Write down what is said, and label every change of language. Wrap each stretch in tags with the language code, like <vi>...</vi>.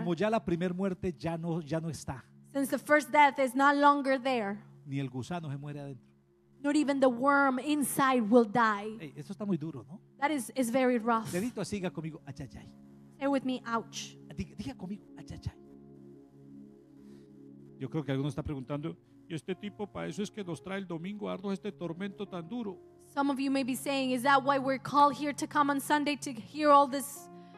<es>Como ya la primer muerte ya no está.</es> <en>Since the first death is no longer there.</en> <es>Ni el gusano se muere adentro.</es> <en>Not even the worm inside will die.</en> <es>Hey, eso está muy duro, ¿no?</es> <en>That is very rough.</en> <es>Dedito, siga conmigo. Ay, ay, ay.</es> <en>Say with me, ouch.</en> <es>Diga conmigo. Ay, ay, ay. Yo creo que alguno está preguntando, y este tipo para eso es que nos trae el domingo a darnos este tormento tan duro.</es> <en>Some of you may be saying, is that why we're called here to come on Sunday to hear all this?</en>